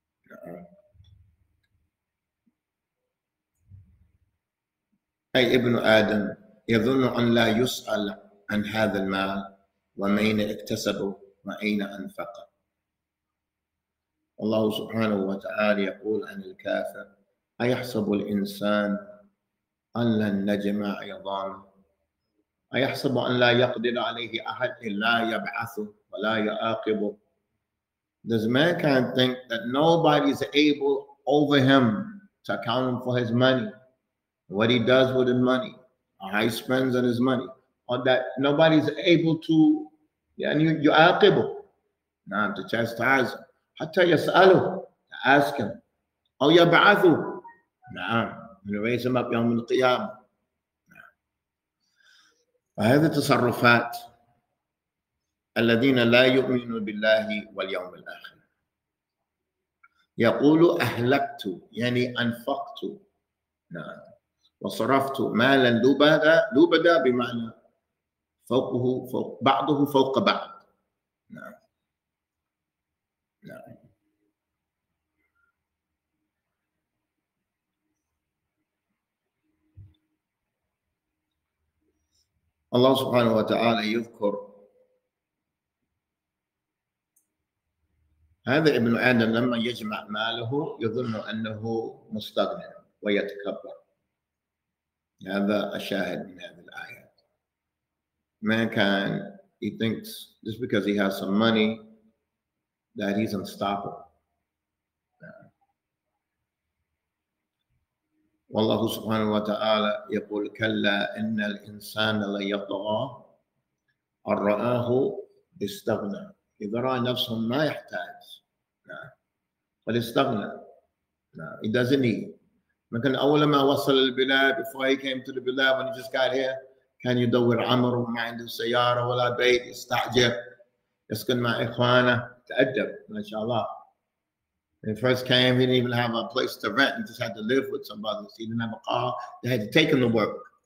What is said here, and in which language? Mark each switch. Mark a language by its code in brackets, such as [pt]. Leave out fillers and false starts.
[ar] نعم، أي ابن آدم يظن أن لا يسأل عن هذا المال، ومين اكتسبه وأين أنفقه. الله سبحانه وتعالى يقول عن الكافر، أيحسب الإنسان أن لن نجمع عظامه، أيحسب أن لا يقدر عليه أحد إلا يبعثه ولا يعاقبه. [en] This man can't think that nobody is able over him to account him for his money, what he does with his money, how he spends on his money, or that nobody is able to [ar] يعاقبه. [en] نعم, to chastise him. [ar] حتى يسأله, [en] to ask him. [ar] أو يبعثه. [en] نعم, and raise him up [ar] يوم القيامة. فهذه التصرفات الذين لا يؤمنون بالله واليوم الآخر. يقول أهلكت يعني أنفقت, نعم, وصرفت مالا لبدا, لبدا بمعنى فوقه فوق بعضه فوق بعض. نعم, نعم. الله سبحانه وتعالى يذكر هذا ابن آدم لما يجمع ماله يظن أنه مستغنى ويتكبر. هذا الشاهد من هذه الآية. [en] Man can, he thinks just because he has some money that he's unstoppable. [ar] والله سبحانه وتعالى يقول كلا إن الإنسان ليطغى أن رآه استغنى. إذا رأى نفسه ما يحتاج, قال استغنى, [en] he doesn't need. [ar] لكن أول ما وصل البلاد, [en] before he came to the [ar] بلاد, [en] when he just got here, [ar] كان يدور عمر وما عنده سيارة ولا بيت, يستعجب يسكن مع إخوانه, تأدب ما شاء الله. [en] When he first came, he didn't even have a place to rent. He just had to live with somebody. He didn't have a car. They had to take him to work.